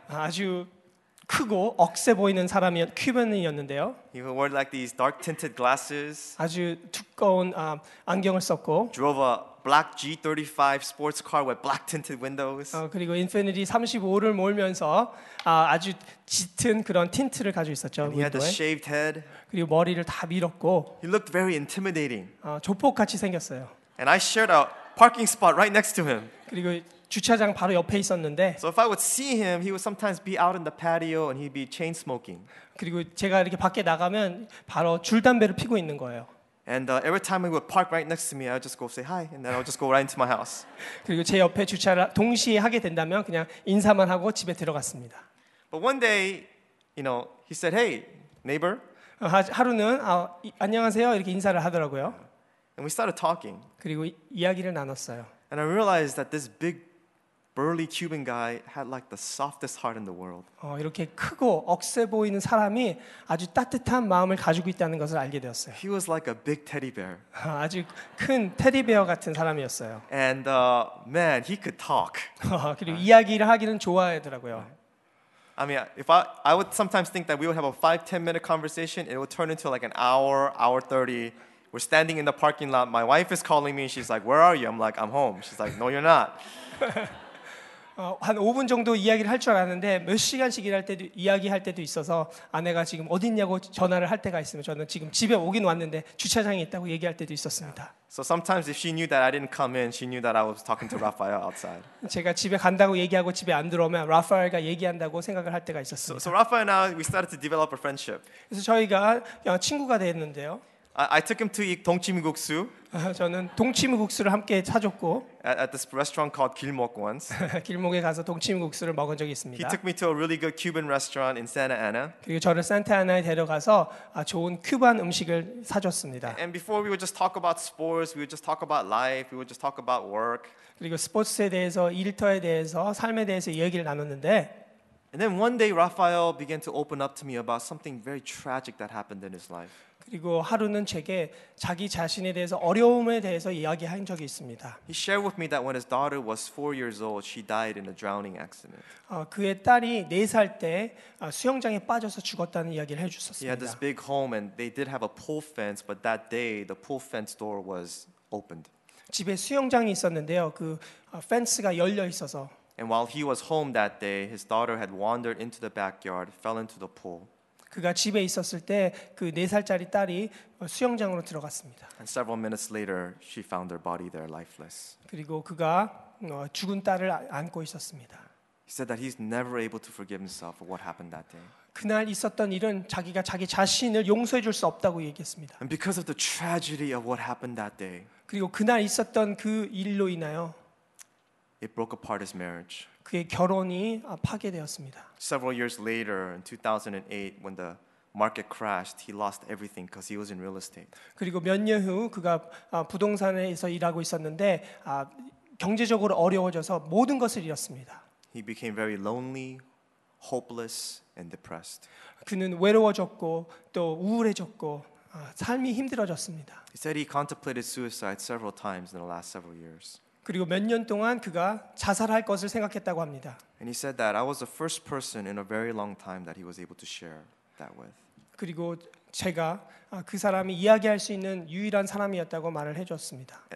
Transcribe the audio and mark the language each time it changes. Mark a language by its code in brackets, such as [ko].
[ko] 아주 크고 억세 보이는 사람이었 큐빈이었는데요. [en] He wore like these dark tinted glasses. [ko] 아주 두꺼운 안경을 썼고. [en] Drove a black G35 sports car with black tinted windows. [ko] 그리고 인피니티 35를 몰면서 아주 짙은 그런 틴트를 가지고 있었죠. [en] And he had a shaved head. [ko] 그리고 머리를 다 밀었고. [en] He looked very intimidating. [ko] 조폭 같이 생겼어요. [en] And I shared a parking spot right next to him. [ko] 그리고 주차장 바로 옆에 있었는데. [en] So if I would see him, he would sometimes be out in the patio and he'd be chain smoking. [ko] 그리고 제가 이렇게 밖에 나가면 바로 줄 담배를 피고 있는 거예요. [en] And every time he would park right next to me, I would just go say hi, and then I would just go right into my house. [ko] 그리고 제 옆에 주차를 동시에 하게 된다면 그냥 인사만 하고 집에 들어갔습니다. [en] But one day, you know, he said, "Hey, neighbor." [ko] 하루는 안녕하세요 이렇게 인사를 하더라고요. [en] And we started talking. [ko] 그리고 이야기를 나눴어요. [en] And I realized that this big, burly Cuban guy had like the softest heart in the world. [ko] 이렇게 크고 억세 보이는 사람이 아주 따뜻한 마음을 가지고 있다는 것을 알게 되었어요. [en] He was like a big teddy bear. [ko] 아주 큰 테디베어 같은 사람이었어요. [en] And man, he could talk. [ko] 그리고 이야기를 하기는 좋아하더라고요. [en] I mean, if I would sometimes think that we would have a 5-10 minute conversation, it would turn into like an hour, hour 30. We're standing in the parking lot. My wife is calling me. She's like, "Where are you?" I'm like, "I'm home." She's like, "No, you're not." [ko] 한 5분 정도 이야기를 할 줄 알았는데 몇 시간씩 일할 때도 이야기할 때도 있어서 아내가 지금 어디 있냐고 전화를 할 때가 있으면 저는 지금 집에 오긴 왔는데 주차장에 있다고 얘기할 때도 있었습니다. [en] So sometimes if she knew that I didn't come in, she knew that I was talking to Raphael outside. [ko] 제가 집에 간다고 얘기하고 집에 안 들어오면 라파엘과 얘기한다고 생각을 할 때가 있었습니다. [en] So Raphael and I, we started to develop a friendship. [ko] 그래서 저희가 친구가 됐는데요. [en] I took him to eat 동치미국수. [ko] 저는 동치미국수를 함께 사줬고 [en] at this restaurant called 길목 once. [ko] 길목에 가서 동치미국수를 먹은 적이 있습니다. [en] He took me to a really good Cuban restaurant in Santa Ana. [ko] 그리고 저를 산타나에 데려가서 좋은 큐반 음식을 사줬습니다. [en] And before we would just talk about sports, we would just talk about life, we would just talk about work. [ko] 그리고 스포츠에 대해서, 일터에 대해서, 삶에 대해서 얘기를 나눴는데 [en] And then one day Raphael began to open up to me about something very tragic that happened in his life. [ko] 그리고 하루는 제게 자기 자신에 대해서 어려움에 대해서 이야기한 적이 있습니다. [en] He shared with me that when his daughter was 4 years old, she died in a drowning accident. [ko] 그의 딸이 4살 때 수영장에 빠져서 죽었다는 이야기를 해 주셨습니다. [en] He had this big home and they did have a pool fence, but that day the pool fence door was opened. [ko] 집에 수영장이 있었는데요. 그 펜스가 열려 있어서 [en] And while he was home that day, his daughter had wandered into the backyard, fell into the pool. [ko] 그가 집에 있었을 때 그 네 살짜리 딸이 수영장으로 들어갔습니다. [en] And several minutes later, she found her body there, lifeless. [ko] 그리고 그가 죽은 딸을 안고 있었습니다. [en] He said that he's never able to forgive himself for what happened that day. [ko] 그날 있었던 일은 자기가 자기 자신을 용서해 줄 수 없다고 얘기했습니다. [en] And because of the tragedy of what happened that day. [ko] 그리고 그날 있었던 그 일로 인하여. [en] It broke apart his marriage. [ko] 그의 결혼이 파괴되었습니다. [en] Several years later, in 2008, when the market crashed, he lost everything because he was in real estate. [ko] 그리고 몇 년 후 그가 부동산에서 일하고 있었는데 경제적으로 어려워져서 모든 것을 잃었습니다. [en] He became very lonely, hopeless, and depressed. [ko] 그는 외로워졌고 또 우울해졌고 삶이 힘들어졌습니다. [en] He said he contemplated suicide several times in the last several years. [ko] 그리고 몇 년 동안 그가 자살할 것을 생각했다고 합니다. [en] And he said that I was the first person in a very long time that he was able to share that with. [ko] 그리고 제가 그 사람이 이야기할 수 있는 유일한 사람이었다고 말을 해줬습니다.